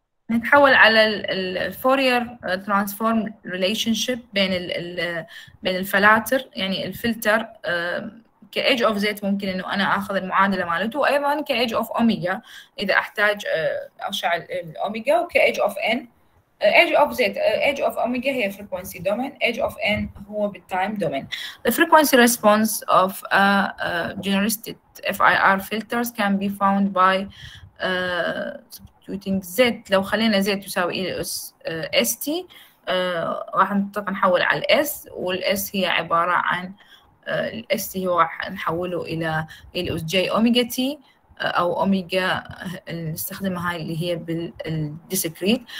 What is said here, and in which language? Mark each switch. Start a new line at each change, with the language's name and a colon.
Arabic: نتحول على الفورير ترانسفورم ريليشنشيب بين بين الفلاتر، يعني الفلتر كأج أوف زيت ممكن إنه أنا أخذ المعادلة مالته، وأيضاً كأج أوف أوميجا إذا أحتاج أرشع الأوميجا، وكأج أوف إن أج أوف زيت أج أوف أوميجا هي فريكوانسي دومين، أج أوف إن هو بالتايم دومين.
English: The frequency response of a generalized FIR filters can be found by substituting Z.
Arabic: لو خلينا Z تساوي إس إس تي راح نحول على الإس، والإس هي عبارة عن الاس تي هو راح نحوله الى الاس جي اوميجا تي او اوميجا نستخدمها اللي هي بالديسكريت.